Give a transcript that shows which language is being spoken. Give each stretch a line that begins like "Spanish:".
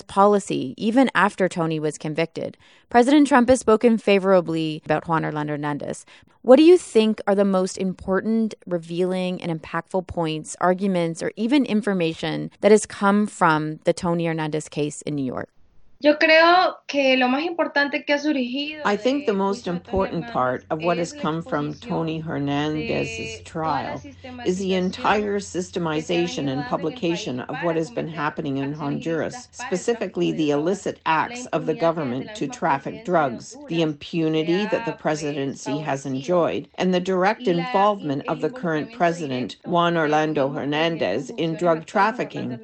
English: policy, even after Tony was convicted, President Trump has spoken favorably about Juan Orlando Hernandez. What do you think are the most important, revealing, and impactful points, arguments, or even information that has come from the Tony Hernandez case in New York?
Spanish: Yo creo que lo más importante que ha surgido
English: I think the most important part of what has come from Tony Hernandez's trial is the entire systemization and publication of what has been happening in Honduras, specifically the illicit acts of the government to traffic drugs, the impunity that the presidency has enjoyed, and the direct involvement of the current president, Juan Orlando Hernandez, in drug trafficking.